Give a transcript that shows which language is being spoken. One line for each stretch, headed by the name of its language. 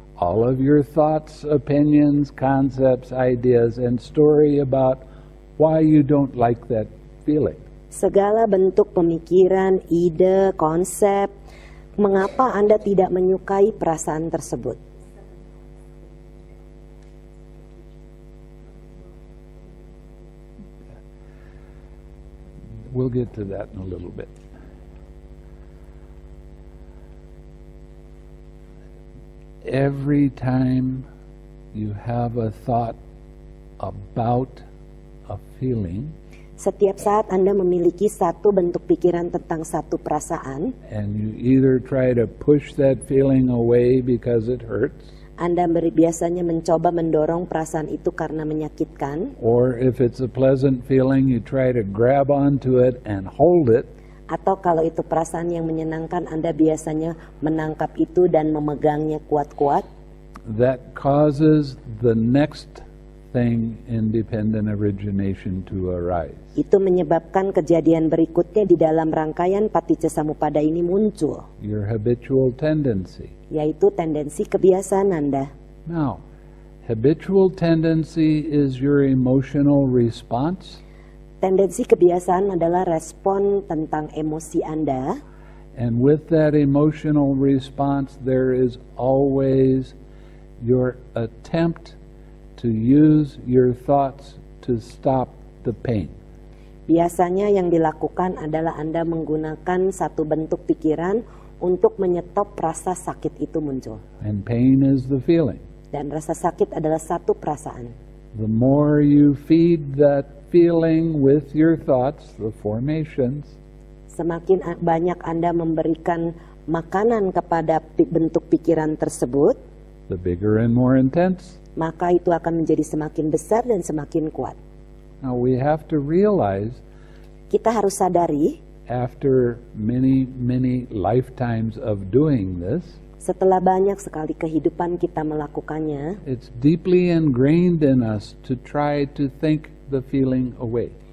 English: All of your thoughts, opinions, concepts, ideas, and story about why you don't like that feeling.
Indonesian: Segala bentuk pemikiran, ide, konsep, mengapa Anda tidak menyukai perasaan tersebut?
English: We'll get to that in a little bit. Every time you have a thought about a feeling,
Indonesian: setiap saat Anda memiliki satu bentuk pikiran tentang satu perasaan,
English: and you either try to push that feeling away because it hurts,
Indonesian: Anda biasanya mencoba mendorong perasaan itu karena menyakitkan,
English: or if it's a pleasant feeling, you try to grab onto it and hold it,
Indonesian: atau kalau itu perasaan yang menyenangkan, Anda biasanya menangkap itu dan memegangnya kuat-kuat.
English: That causes the next thing independent origination to arise.
Indonesian: Itu menyebabkan kejadian berikutnya di dalam rangkaian paticca samuppada ini muncul.
English: Your habitual tendency.
Indonesian: Yaitu tendensi kebiasaan Anda.
English: Now, habitual tendency is your emotional response.
Indonesian: Tendensi kebiasaan adalah respon tentang emosi Anda.
English: And with that emotional response, there is always your attempt to use your thoughts to stop the pain.
Indonesian: Biasanya yang dilakukan adalah Anda menggunakan satu bentuk pikiran untuk menyetop rasa sakit itu muncul.
English: And pain is the feeling.
Indonesian: Dan rasa sakit adalah satu perasaan.
English: The more you feed that feeling with your thoughts, the formations.
Indonesian: Semakin banyak Anda memberikan makanan kepada bentuk pikiran tersebut,
English: the bigger and more intense.
Indonesian: Maka itu akan menjadi semakin besar dan semakin kuat.
English: Now we have to realize,
Indonesian: kita harus sadari,
English: after many, many lifetimes of doing this,
Indonesian: setelah banyak sekali kehidupan kita melakukannya,
English: it's deeply ingrained in us to try to think the feeling away.